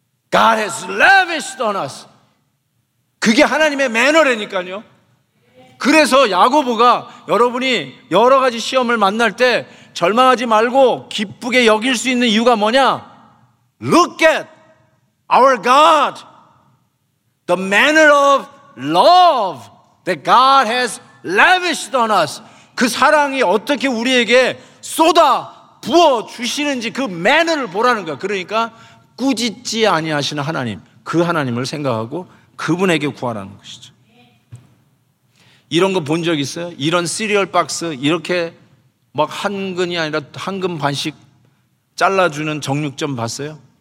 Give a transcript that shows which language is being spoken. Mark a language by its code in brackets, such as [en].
[en] God has lavished on us. [ko] 그게 하나님의 매너라니까요. 그래서 야고보가 여러분이 여러 가지 시험을 만날 때 절망하지 말고 기쁘게 여길 수 있는 이유가 뭐냐? [en] Look at our God. The manner of love that God has lavished on us. [ko] 그 사랑이 어떻게 우리에게 쏟아 부어 주시는지 그 매너를 보라는 거야. 그러니까 꾸짖지 아니하시는 하나님, 그 하나님을 생각하고 그분에게 구하라는 것이죠. 이런 거 본 적 있어요? 이런 시리얼 박스 이렇게 막 한 근이 아니라 한 근 반씩 잘라주는 정육점 봤어요?